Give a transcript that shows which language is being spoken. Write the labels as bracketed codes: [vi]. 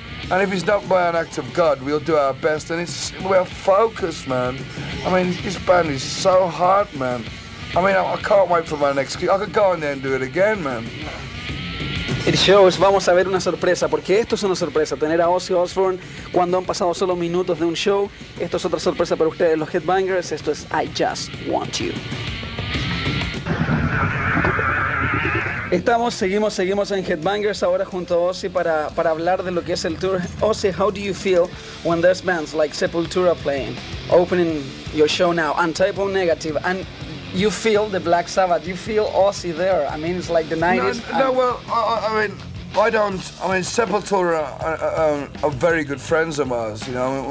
[en] And if it's not by an act of God, we'll do our best. And it's, we're focused, man. I mean, this band is so hard, man. I mean, I can't wait for my next gig. I could go in there and do it again, man. It shows, [es] vamos a ver una sorpresa, porque esto es una sorpresa, tener a Ozzy Osbourne cuando han pasado solo minutos de un show. Esto es otra sorpresa para ustedes, los Headbangers. Esto es I Just Want You. Estamos, seguimos en Headbangers ahora junto a Ozzy para hablar de lo que es el tour. [en] Ozzy, how do you feel when there's bands like Sepultura playing, opening your show now, and Type O Negative, and you feel the Black Sabbath, you feel Ozzy there? I mean, it's like the 90s. I mean, Sepultura are very good friends of ours, you know.